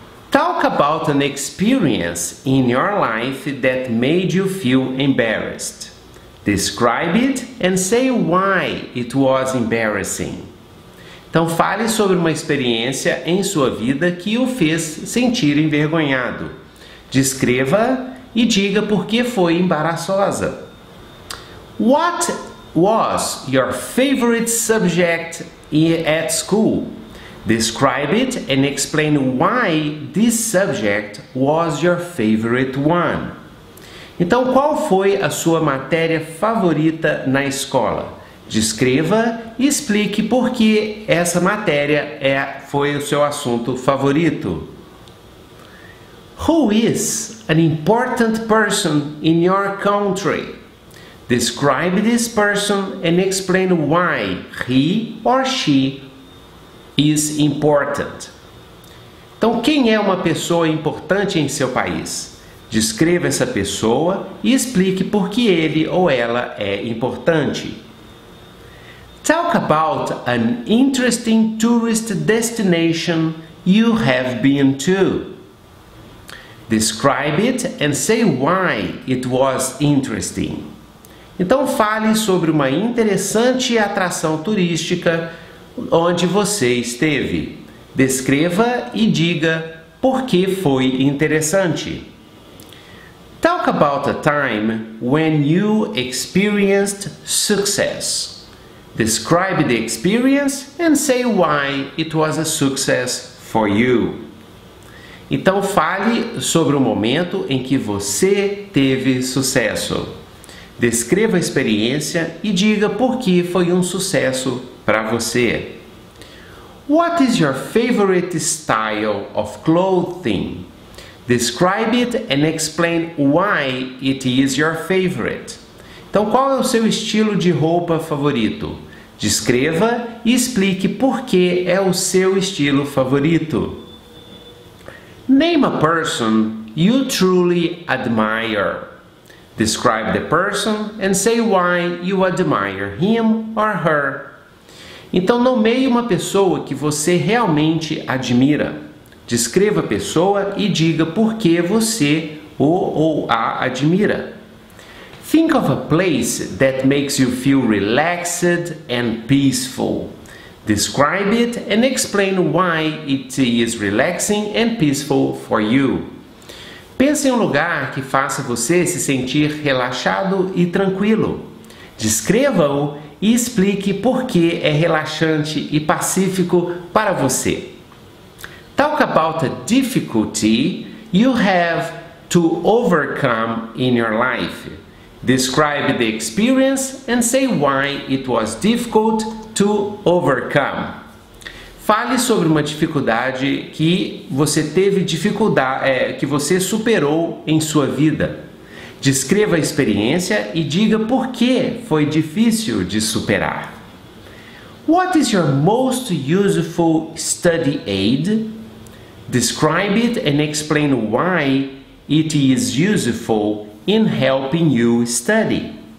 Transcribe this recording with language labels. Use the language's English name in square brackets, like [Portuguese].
[English] Talk about an experience in your life that made you feel embarrassed. Describe it and say why it was embarrassing. [Portuguese] Então fale sobre uma experiência em sua vida que o fez sentir envergonhado. Descreva e diga por que foi embaraçosa. [English] What was your favorite subject at school? Describe it and explain why this subject was your favorite one. [Portuguese] Então, qual foi a sua matéria favorita na escola? Descreva e explique por que essa matéria foi o seu assunto favorito. [English] Who is an important person in your country? Describe this person and explain why he or she is important. [Portuguese] Então, quem é uma pessoa importante em seu país? Descreva essa pessoa e explique por que ele ou ela é importante. [English] Talk about an interesting tourist destination you have been to. Describe it and say why it was interesting. [Portuguese] Então, fale sobre uma interessante atração turística onde você esteve. Descreva e diga por que foi interessante. [English] Talk about a time when you experienced success. Describe the experience and say why it was a success for you. [Portuguese] Então, fale sobre o momento em que você teve sucesso. Descreva a experiência e diga por que foi um sucesso para você. [English] What is your favorite style of clothing? Describe it and explain why it is your favorite. [Portuguese] Então, qual é o seu estilo de roupa favorito? Descreva e explique por que é o seu estilo favorito. [English] Name a person you truly admire. Describe the person and say why you admire him or her. [Portuguese] Então, nomeie uma pessoa que você realmente admira. Descreva a pessoa e diga por que você o ou a admira. [English] Think of a place that makes you feel relaxed and peaceful. Describe it and explain why it is relaxing and peaceful for you. [Portuguese] Pense em um lugar que faça você se sentir relaxado e tranquilo. Descreva-o e explique por que é relaxante e pacífico para você. [English] Talk about a difficulty you have to overcome in your life. Describe the experience and say why it was difficult to overcome. [Portuguese] Fale sobre uma dificuldade que você teve dificuldade, que você superou em sua vida. Descreva a experiência e diga por que foi difícil de superar. [English] What is your most useful study aid? Describe it and explain why it is useful in helping you study.